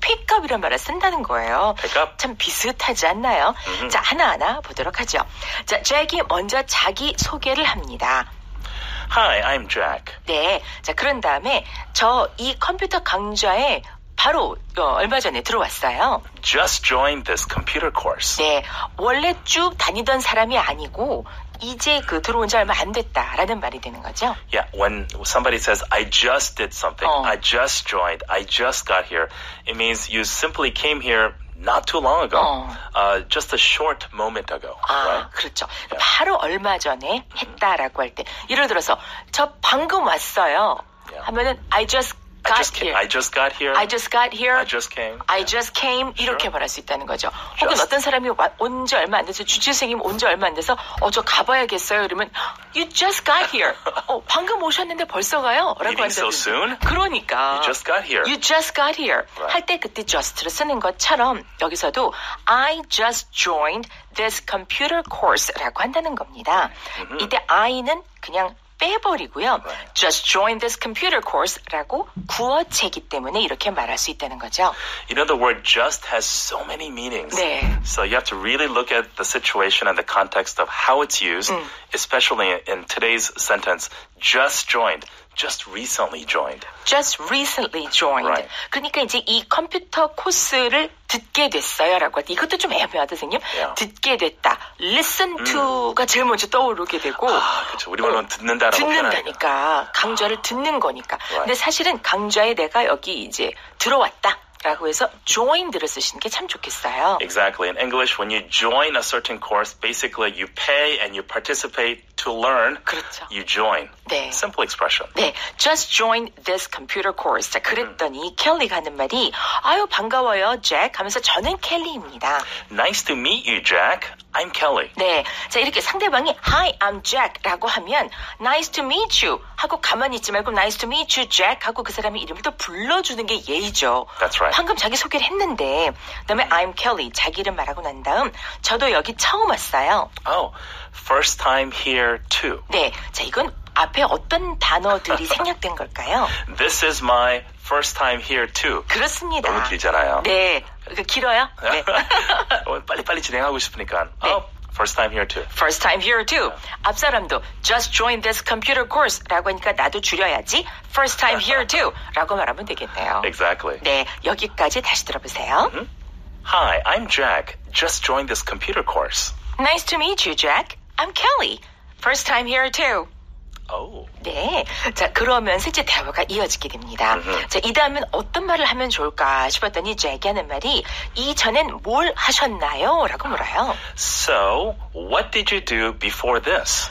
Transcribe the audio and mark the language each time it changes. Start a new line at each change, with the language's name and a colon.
Korean: pick up이란 말을 쓴다는 거예요.
English: Pick up.
Korean: 참 비슷하지 않나요? 자, 하나하나 보도록 하죠. 자, 잭이 먼저 자기 소개를 합니다.
English: Hi, I'm Jack.
Korean: 네. 자, 그런 다음에 저 이 컴퓨터 강좌에 바로 얼마 전에 들어왔어요.
English: Just joined this computer course.
Korean: 네. 원래 쭉 다니던 사람이 아니고 이제 그 들어온 지 얼마 안 됐다라는 말이 되는 거죠.
English: Yeah, when somebody says I just did something, I just joined, I just got here, it means you simply came here not too long ago. Just a short moment ago.
Korean: 아,
English: right?
Korean: 그렇죠.
English: Yeah.
Korean: 바로 얼마 전에 했다라고 할 때. 예를 들어서 저 방금 왔어요.
English: Yeah.
Korean: 하면은
English: I just got I just here. I just got here. I just got here. I just came. I yeah. just came.
Korean: 이렇게
English: sure.
Korean: 말할 수 있다는 거죠.
English: Just.
Korean: 혹은 어떤 사람이 온 지 얼마 안 돼서 주치생님 온 지 얼마 안 돼서 저 가봐야겠어요. 이러면
English: You just got here.
Korean: 방금 오셨는데 벌써 가요? 라고 하는데.
English: So soon?
Korean: 그러니까.
English: You just got here. You just got here. Right.
Korean: 할 때 그때 just를 쓰는 것처럼 여기서도
English: I just joined this computer course
Korean: 라고 한다는 겁니다. Mm-hmm. 이때 I는 그냥 빼버리고요.
English: Right. Just join this computer course
Korean: 라고 구어체이기 때문에 이렇게 말할 수 있다는 거죠.
English: You know, the word just has so many meanings.
Korean: 네.
English: So you have to really look at the situation and the context of how it's used, especially in today's sentence. Just joined. just recently joined. Just recently joined. Right.
Korean: 그러니까 이제 이 컴퓨터 코스를 듣게 됐어요라고 할 때 이것도 좀 애매하다 선생님.
English: Yeah.
Korean: 듣게 됐다. Listen to가 제일 먼저 떠오르게 되고. 아, 그렇죠. 우리말로는 듣는다라고 듣는다니까. 강좌를 듣는 거니까.
English: Right.
Korean: 근데 사실은 강좌에 내가 여기 이제 들어왔다. 라고 해서 joined를 쓰시는 게 참 좋겠어요.
English: Exactly. In English, when you join a certain course, basically you pay and you participate to learn.
Korean: 그렇죠.
English: You join.
Korean: 네.
English: Simple expression.
Korean: 네.
English: Just join this computer course.
Korean: 자, 그랬더니 켈리가 하는 말이 아유 반가워요, 잭. 하면서 저는 켈리입니다.
English: Nice to meet you, Jack. I'm Kelly.
Korean: 네. 자, 이렇게 상대방이
English: Hi, I'm Jack
Korean: 라고 하면
English: Nice to meet you
Korean: 하고 가만히 있지 말고
English: Nice to meet you, Jack
Korean: 하고 그 사람의 이름을 또 불러주는 게 예의죠.
English: That's right.
Korean: 방금 자기 소개를 했는데 그 다음에
English: I'm Kelly
Korean: 자기 이름 말하고 난 다음 저도 여기 처음 왔어요.
English: Oh, first time here too.
Korean: 네. 자, 이건 앞에 어떤 단어들이 생략된 걸까요?
English: This is my first time here too.
Korean: 그렇습니다. 너무 길잖아요. 네. 길어요? 네. 빨리빨리 진행하고 싶으니까. 네.
English: Oh, first time here too. First time here too.
Korean: 앞 사람도
English: just join this computer course
Korean: 라고 하니까 나도 줄여야지.
English: First time here too
Korean: 라고 말하면 되겠네요.
English: Exactly.
Korean: 네. 여기까지 다시 들어보세요.
English: Hi, I'm Jack. Just joined this computer course. Nice to meet you, Jack. I'm Kelly. First time here too.
Korean: 네, 자 그러면서 이제 대화가 이어지게 됩니다. 자 이 다음은 어떤 말을 하면 좋을까 싶었더니 잭이 하는 말이 이전엔 뭘 하셨나요? 라고 물어요.
English: So, what did you do before this?